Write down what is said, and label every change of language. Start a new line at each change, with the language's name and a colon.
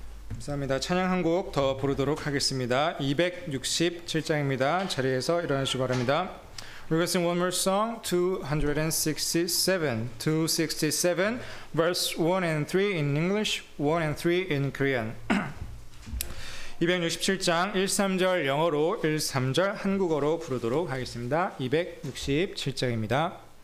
Korean: 감사합니다. 찬양 한 곡 더 부르도록 하겠습니다. 267장입니다. 자리에서 일어나시기 바랍니다.
English: We're going to sing one more song, 267, verse 1 and 3 in English, 1 and 3 in Korean.
Korean: 267장 1-3절 영어로 1-3절 한국어로 부르도록 하겠습니다. 267장입니다.